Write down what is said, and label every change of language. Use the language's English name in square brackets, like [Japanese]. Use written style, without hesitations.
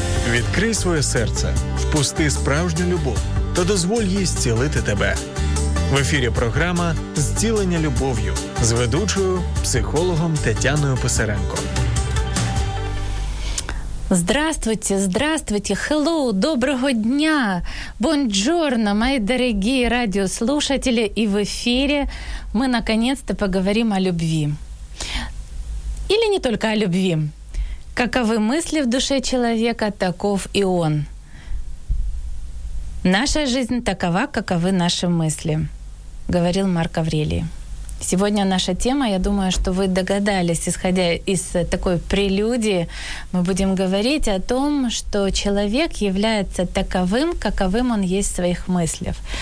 [Ukrainian] Відкрий своє серце, впусти справжню любов та дозволь їй зцілити тебе. В ефірі програма «Зцілення любов'ю» з ведучою психологом Тетяною Писаренко. [Russian] Здравствуйте, здравствуйте, hello, доброго дня, бонджорно, мои дорогие радиослушатели. [Ukrainian] И в ефірі ми [Russian] наконец-то [Ukrainian] поговоримо [Russian] о любви. Или не только о любви. Каковы мысли в душе человека, таков и он. Наша жизнь такова, каковы наши мысли, говорил Марк Аврелий. Сегодня наша тема, я думаю, что вы догадались, исходя из такой прелюдии, мы будем говорить о том, что человек является таковым, каковым он есть в своих мыслях.